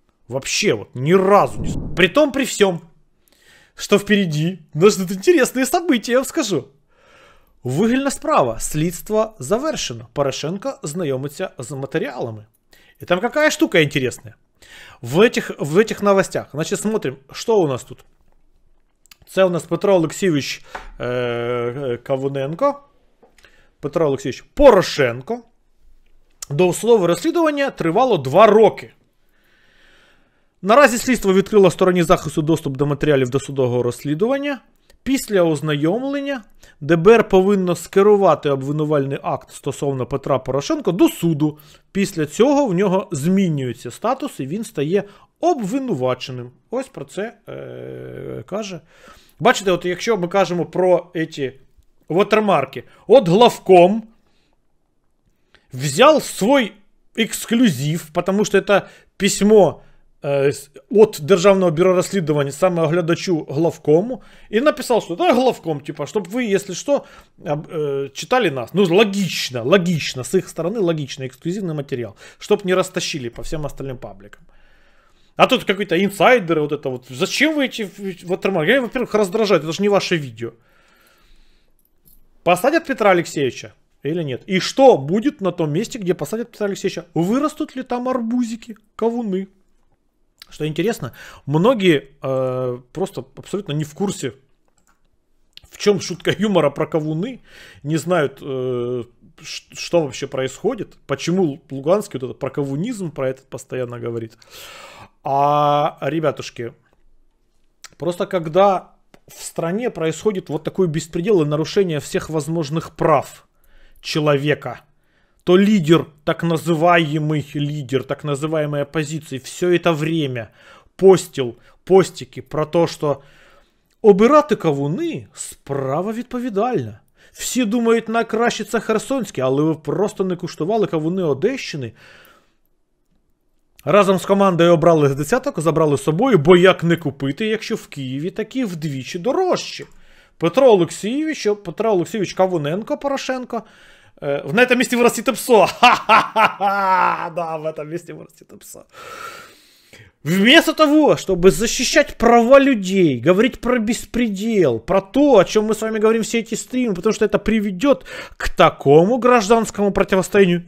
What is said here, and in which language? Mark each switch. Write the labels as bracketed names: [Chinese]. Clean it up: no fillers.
[Russian] Вообще вот ни разу не смешно. При том, при всем, что впереди нас ждут интересные события, я вам скажу. [Ukrainian] Вигільна справа. Слідство завершено. Порошенко знайомиться с материалами. [Russian] И там какая штука интересная? В этих новостях. Значит, смотрим, что у нас тут. [Ukrainian] Це у нас Петро Олексійович Кавуненко. Петро Олексійович Порошенко. До слова розслідування тривало 2 роки. Наразі слідство відкрило стороні захисту доступ до матеріалів досудового розслідування. Після ознайомлення ДБР повинно скерувати обвинувальний акт стосовно Петра Порошенка до суду. Після цього в нього змінюється статус і він стає обвинуваченим. Ось про це каже. Бачите, от якщо ми кажемо про ці вотермарки, от главком взяв свій ексклюзив, тому що це письмо від Державного бюро розслідувань, саме оглядачу главкому, і написав, що це главком, типу, щоб ви, якщо що, читали нас. Ну, логічно, з їх сторони логічно, ексклюзивний матеріал, щоб не розтащили по всім остальним паблікам. [Russian] А тут какой-то инсайдер, вот это вот. Зачем вы эти вотермарки? Во-первых, раздражают, это же не ваше видео. Посадят Петра Алексеевича или нет? И что будет на том месте, где посадят Петра Алексеевича? Вырастут ли там арбузики, ковуны? Что интересно, многие просто абсолютно не в курсе, в чем шутка юмора про ковуны, не знают, что вообще происходит, почему Луганский вот этот про ковунизм про этот постоянно говорит. А, ребятушки, просто когда в стране происходит вот такой беспредел и нарушение всех возможных прав человека, то лидер, так называемый лидер, так называемой оппозиции, все это время постил постики про то, что [Ukrainian] обирати ковуни справа відповідальна. Всі думають, накращиться Херсонське, але ви просто не куштували ковуни Одещини. Разом з командою обрали десяток, забрали з собою, бо як не купити, якщо в Києві такі вдвічі дорожчі. Петро Олексійович, Петро Олексійович Кавуненко Порошенко. [Russian] В этом месте вырастите псо. Ха-ха-ха-ха. Да, в этом месте вырастите псо. Вместо того, чтобы защищать права людей, говорить про беспредел, про то, о чем мы с вами говорим все эти стримы, потому что это приведет к такому гражданскому противостоянию.